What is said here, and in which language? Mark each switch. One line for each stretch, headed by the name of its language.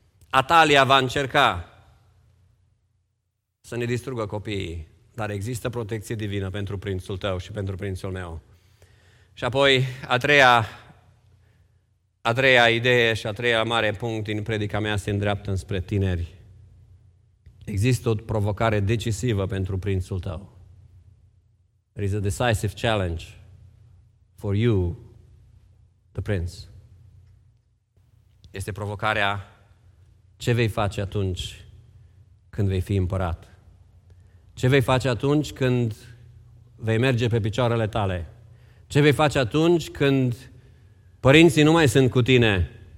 Romanian: Atalia va încerca să ne distrugă copiii, dar există protecție divină pentru prințul tău și pentru prințul meu. Și apoi, a treia idee și a treia mare punct din predica mea se îndreaptă înspre tineri. Există o provocare decisivă pentru prințul tău.
English: There is a decisive challenge for you, the prince.
Romanian: Este provocarea, ce vei face atunci când vei fi împărat? Ce vei face atunci când vei merge pe picioarele tale? Ce vei face atunci când părinții nu mai sunt cu tine?